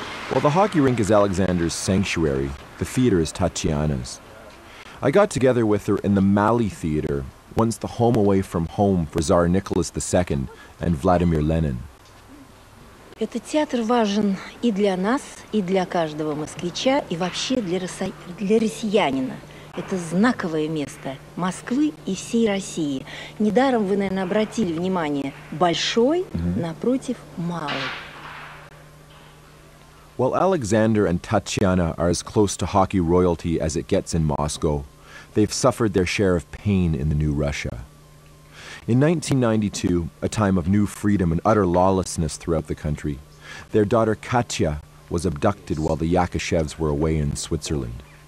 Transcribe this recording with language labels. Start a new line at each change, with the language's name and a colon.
English: While the hockey rink is Alexander's sanctuary, the theater is Tatiana's. I got together with her in the Mali Theater, once the home away from home for Tsar Nicholas II and Vladimir Lenin.
Russian: Этот театр важен и для нас, и для каждого москвича, и вообще для россиянина. Это знаковое место Москвы и всей России. Недаром вы, наверное, обратили внимание, большой напротив малый.
English: While Alexander and Tatiana are as close to hockey royalty as it gets in Moscow, they've suffered their share of pain in the new Russia. In 1992, a time of new freedom and utter lawlessness throughout the country, their daughter Katya was abducted while the Yakushevs were away in Switzerland.